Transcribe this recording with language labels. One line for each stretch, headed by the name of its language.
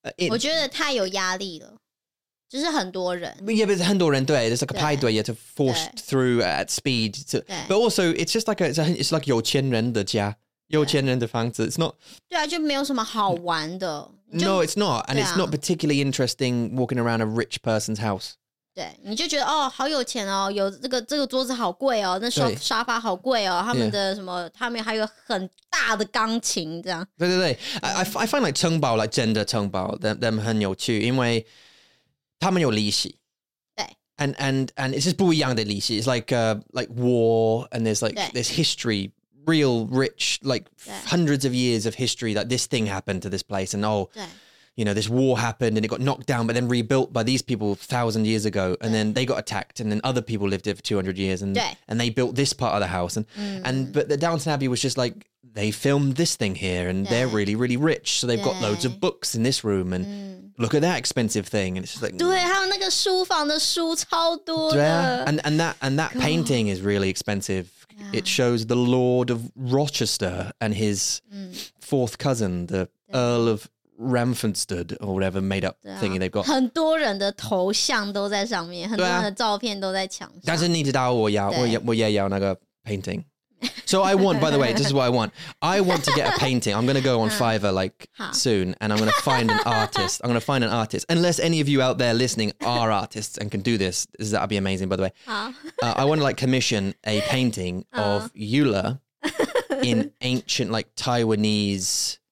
Chinese: 我觉得太有压力了，就是很多人。
English: Yeah, but
Chinese: 很多人对
English: ，there's like a 排队 you have to force through at speed. To, but also, it's just like it's like
Chinese: 有钱人的家，有钱人的房子。
English: It's not.
Chinese: 对啊，就没有什么好玩的。
English: No, it's not, and it's not particularly interesting walking around a rich person's house.
Chinese: 对，你就觉得哦，好有钱哦，有这个桌子好贵哦，那沙发好贵哦，他们的什么， yeah. 他们还有很大的钢琴这样。对对对、
English: I find like
Chinese: 城堡 like 真的城堡 them 很有趣，因为他们有历史。对。
English: And it's just
Chinese: 不一样的历史
English: ，it's like war and there's like this history, real rich like hundreds of years of history that this thing happened to this place and oh.
Chinese: 对。
English: You know, this war happened and it got knocked down, but then rebuilt by these people 1,000 years ago. And then they got attacked and then other people lived there for 200 years and they built this part of the house. But the Downton Abbey was just like, they filmed this thing here and they're really, really rich. So they've got loads of books in this room and look at that expensive thing. And it's just like,
Chinese: 对，还有那个书房的书超多的。
English: And that painting is really expensive. Yeah. It shows the Lord of Rochester and his fourth cousin, the Earl of Ramfordstead or whatever made up thingy they've got.
Chinese: 很多人的头像都在上面，很多人的照片都在墙上。但是你知道我也要那个 painting.
English: So I want, by the way, this is what I want. I want to get a painting. I'm going to go on Fiverr like soon and I'm going to find an artist. I'm going to find an artist. Unless any of you out there listening are artists and can do this, that'd be amazing, by the way. I want to like commission a painting of Eula in ancient like Taiwanese...